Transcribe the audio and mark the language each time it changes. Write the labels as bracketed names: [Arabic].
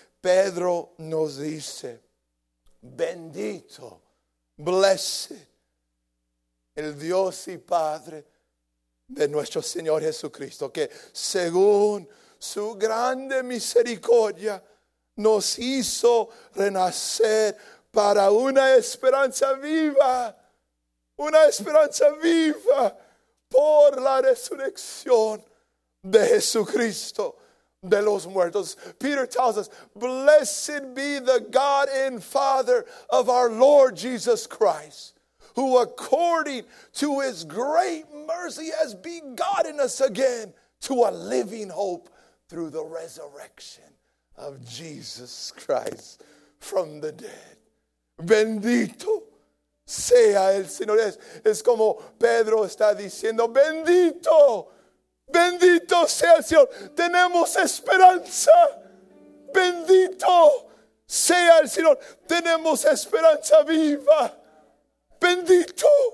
[Spanish] Pedro nos dice, bendito, blessed, el Dios y Padre de nuestro Señor Jesucristo, que según su grande misericordia nos hizo renacer para una esperanza viva. Una esperanza viva. Por la resurrección de Jesucristo de los muertos. [English] Peter tells us, blessed be the God and Father of our Lord Jesus Christ, who according to his great mercy has begotten us again to a living hope through the resurrection of Jesus Christ from the dead. [Spanish] Bendito sea el Señor. Es como Pedro está diciendo, bendito Bendito sea el Señor. Tenemos esperanza. Bendito sea el Señor. Tenemos esperanza viva. Bendito.